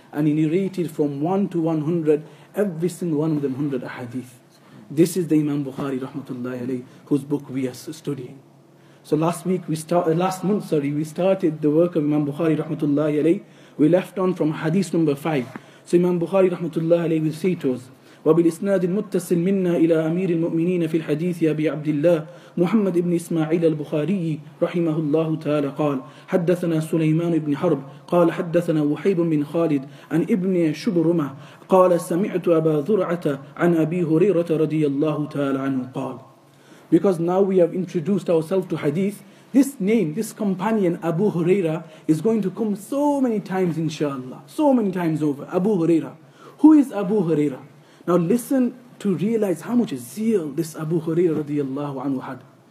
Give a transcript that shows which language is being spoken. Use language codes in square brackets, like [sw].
[en] And he narrated from 1 to 100, every single one of them 100 hadith. This is the Imam Bukhari, rahmatullahi alayhi, whose book we are studying. So last month, we started the work of Imam Bukhari, rahmatullahi alayhi. We left on from hadith number 5. So Imam Bukhari rahmatullah alayhi will say to us, [ar] وبالإسناد المتصل منا إلى أمير المؤمنين في الحديث أبي عبد الله محمد بن إسماعيل البخاري رحمه الله تعالى قال حدثنا سليمان بن حرب قال حدثنا وحيب بن خالد عن ابن شبرمة قال سمعت أبا ذرعة عن أبي هريرة رضي الله تعالى عنه قال. [en] Because now we have introduced ourselves to hadith, this name, this companion, Abu Huraira, is going to come so many times, inshallah. So many times over. Abu Huraira. Who is Abu Huraira? Now listen to realize how much zeal this Abu Huraira radiallahu anhu had.